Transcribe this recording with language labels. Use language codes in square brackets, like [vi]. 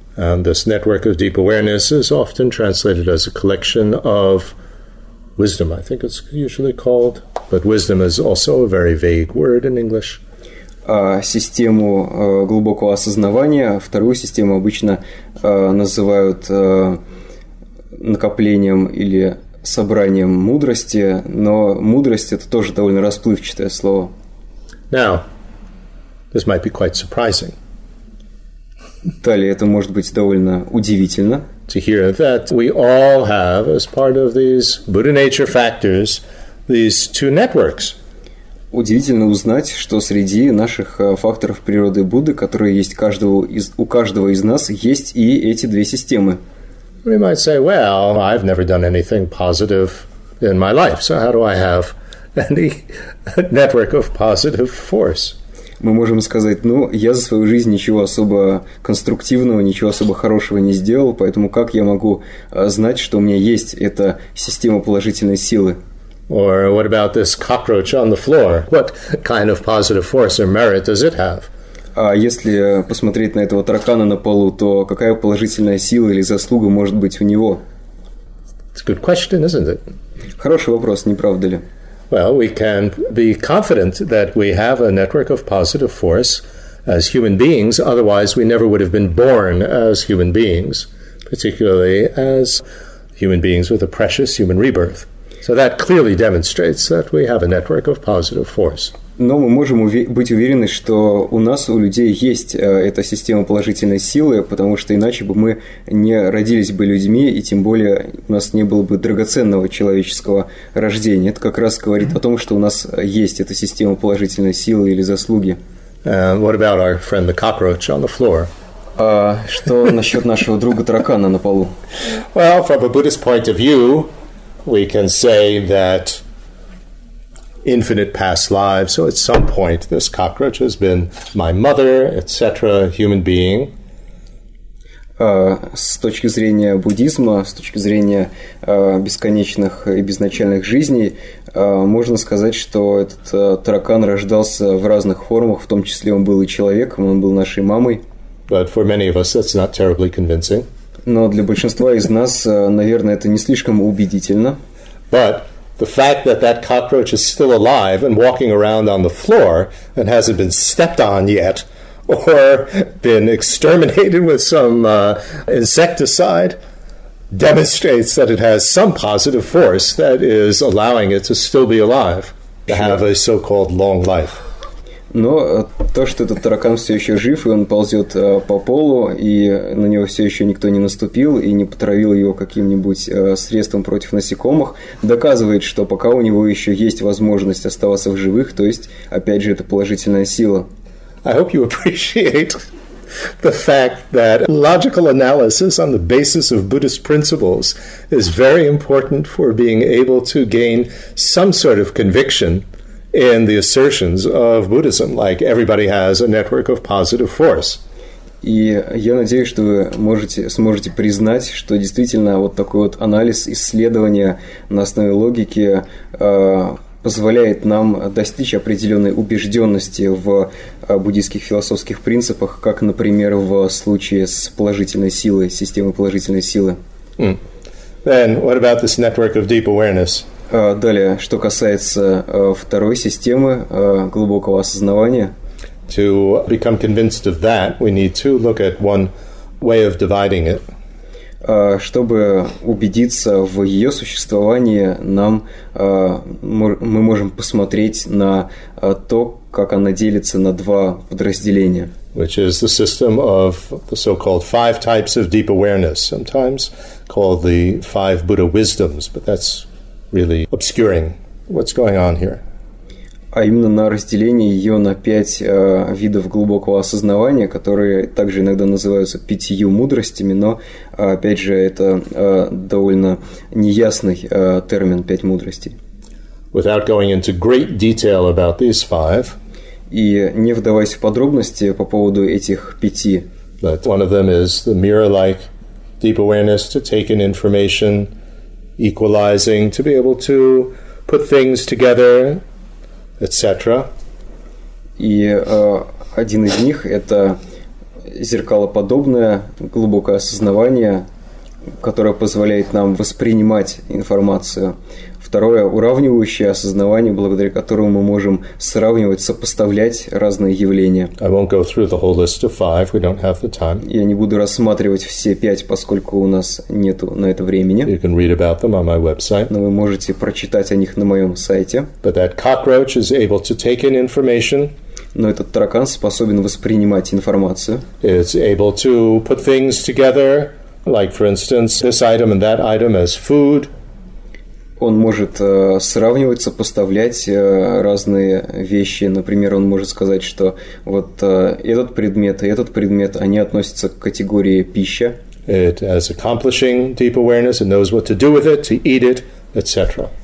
[en] And this network of deep awareness is often translated as a collection of wisdom, I think it's usually called, but wisdom is also a very vague word in English. [ru] Систему глубокого осознавания, вторую систему обычно называют накоплением или собранием мудрости, но мудрость это тоже довольно расплывчатое слово. [en] Now, this might be quite surprising. [ru] Далее, это может быть довольно удивительно. [en] To hear that we all have, as part of these Buddha nature factors, these two networks. [ru] Удивительно узнать, что среди наших факторов природы Будды, которые есть у каждого из нас, есть и эти две системы. [en] We might say, well, I've never done anything positive in my life, so how do I have any network of positive force? [ru] Мы можем сказать, ну, я за свою жизнь ничего особо конструктивного, ничего особо хорошего не сделал, поэтому как я могу знать, что у меня есть эта система положительной силы? [en] Or what about this cockroach on the floor? What kind of positive force or merit does it have? [ru] А если посмотреть на этого таракана на полу, то какая положительная сила или заслуга может быть у него? [en] It's a good question, isn't it? [ru] Хороший вопрос, не правда ли? [en] Well, we can be confident that we have a network of positive force as human beings, otherwise we never would have been born as human beings, particularly as human beings with a precious human rebirth. So that clearly demonstrates that we have a network of positive force. [ru] Но мы можем быть уверены, что у нас, у людей, есть эта система положительной силы, потому что иначе бы мы не родились бы людьми, и тем более у нас не было бы драгоценного человеческого рождения. Это как раз говорит о том, что у нас есть эта система положительной силы или заслуги. [en] What about our friend the cockroach on the floor? [ru] Что насчет нашего друга-таракана на полу? [en] Well, from a Buddhist point of view, we can say that infinite past lives, so at some point this cockroach has been my mother, etc., human being. [ru] С точки зрения буддизма, с точки зрения бесконечных и безначальных жизней, можно сказать, что этот таракан рождался в разных формах, в том числе он был и человеком, он был нашей мамой. [en] But for many of us that's not terribly convincing. [ru] Но для большинства из нас, наверное, это не слишком убедительно. [en] But the fact that that cockroach is still alive and walking around on the floor and hasn't been stepped on yet or been exterminated with some insecticide demonstrates that it has some positive force that is allowing it to still be alive, to have a so-called long life. [ru] Но то, что этот таракан все еще жив, и он ползет по полу, и на него все еще никто не наступил и не потравил его каким-нибудь средством против насекомых, доказывает, что пока у него еще есть возможность оставаться в живых, то есть, опять же, это положительная сила. [en] I hope you appreciate the fact that logical analysis on the basis of Buddhist principles is very important for being able to gain some sort of conviction in the assertions of Buddhism, like everybody has a network of positive force. [ru] И я надеюсь, что вы сможете признать, что действительно вот такой вот анализ, исследование на основе логики позволяет нам достичь определенной убежденности в буддийских философских принципах, как, например, в случае с положительной силой, системой положительной силы. [en] Then what about this network of deep awareness? [ru] Далее, что касается второй системы глубокого осознавания. [en] To become convinced of that, we need to look at one way of dividing it. [ru] Чтобы убедиться в ее существовании, мы можем посмотреть на то, как она делится на два подразделения. [en] Which is the system of the so-called five types of deep awareness, sometimes called the five Buddha wisdoms, but that's really obscuring what's going on here. [ru] А именно на разделение ее на пять видов глубокого осознавания, которые также иногда называются пятью мудростями, но опять же это довольно неясный термин пять мудростей. [en] Without going into great detail about these five. [ru] И не вдаваясь в подробности по поводу этих пяти. [en] But one of them is the mirror-like deep awareness to take in information. Equalizing, to be able to put things together, etc. [ru] И один из них – это зеркалоподобное глубокое осознавание, которое позволяет нам воспринимать информацию. Второе – уравнивающее осознавание, благодаря которому мы можем сравнивать, сопоставлять разные явления. [en] I won't go through the whole list of five. We don't have the time. [ru] Я не буду рассматривать все пять, поскольку у нас нету на это времени. [en] You can read about them on my website. [ru] Но вы можете прочитать о них на моем сайте. [en] But that cockroach is able to take in information. [ru] Но этот таракан способен воспринимать информацию. [en] It's able to put things together, like, for instance, this item and that item as food. [ru] Он может сравнивать, сопоставлять разные вещи. Например, он может сказать, что вот этот предмет и этот предмет, они относятся к категории пища. [en] it as accomplishing deep awareness. It knows what to do with it, to eat it, etc.